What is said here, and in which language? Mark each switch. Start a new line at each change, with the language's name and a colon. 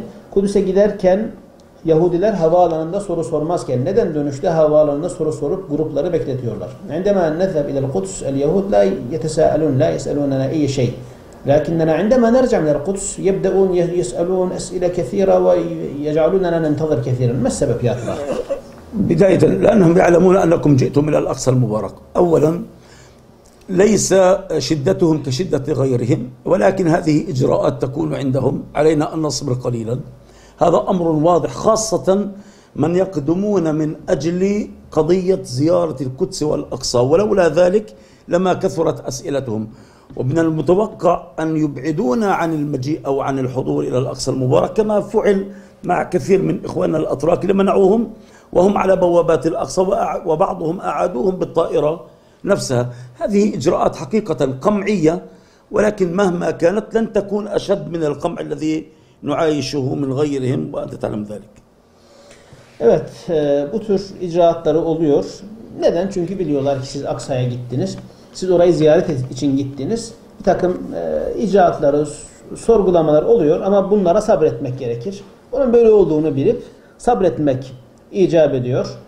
Turkish: Kudüs'e giderken Yahudiler havaalanında soru sormazken neden dönüşte havaalanında soru sorup grupları bekletiyorlar?
Arabic: عندما نذهب إلى القدس اليهود لا يتساءلون لا يسألوننا أي شيء لكننا عندما نرجع من القدس يبدأون يسألون أسئلة كثيرة ويجعلوننا ننتظر كثيرا. ما السبب يا أخي؟ بداية لأنهم يعلمون أنكم جئتم إلى الأقصى المبارك. أولا ليس شدتهم كشدة غيرهم، ولكن هذه إجراءات تكون عندهم، علينا أن نصبر قليلا. هذا أمر واضح، خاصة من يقدمون من أجل قضية زيارة القدس والأقصى، ولولا ذلك لما كثرت أسئلتهم. ومن المتوقع أن يبعدونا عن المجيء أو عن الحضور إلى الأقصى المبارك كما فعل مع كثير من إخواننا الأتراك، لمنعوهم وهم على بوابات الأقصى وبعضهم أعادوهم بالطائرة نفسها. هذه إجراءات حقيقة قمعية، ولكن مهما كانت لن تكون أشد من القمع الذي نعايشه من غيرهم وأنت تعلم ذلك.
Turkish: Evet, bu tür icraatları oluyor. Neden? Çünkü biliyorlar ki siz Aksa'ya gittiniz. Siz orayı ziyaret için gittiniz. Bir takım icraatları, sorgulamalar oluyor ama bunlara sabretmek gerekir. Onun böyle olduğunu bilip sabretmek icap ediyor.